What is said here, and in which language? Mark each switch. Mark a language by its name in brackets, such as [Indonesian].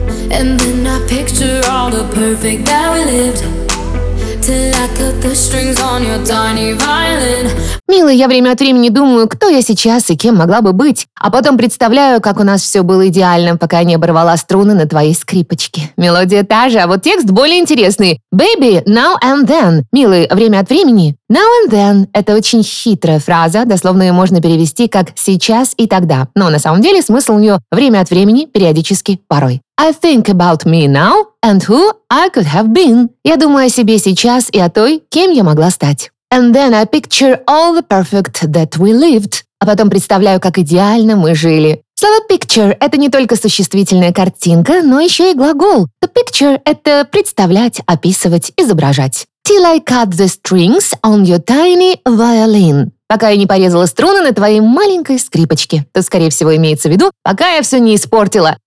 [English] And then I picture all the perfect that we lived till I cut the strings on your tiny violin. [Russian] Милый, я время от времени думаю, кто я сейчас и кем могла бы быть. А потом представляю, как у нас все было идеально, пока я не оборвала струны на твоей скрипочке. Мелодия та же, а вот текст более интересный. [English] Baby, now and then. [Russian] Милый, время от времени. [English] Now and then [Russian] – это очень хитрая фраза, дословно ее можно перевести как «сейчас и тогда». Но на самом деле смысл у нее «время от времени, периодически, порой». [English] I think about me now and who I could have been. [Russian] Я думаю о себе сейчас и о той, кем я могла стать. [English] And then I picture all the perfect that we lived. [Russian] А потом представляю, как идеально мы жили. Слово picture – это не только существительная картинка, но еще и глагол. To picture – это представлять, описывать, изображать. [English] Till I cut the strings on your tiny violin. [Russian] Пока я не порезала струны на твоей маленькой скрипочке. То, скорее всего, имеется в виду, пока я все не испортила.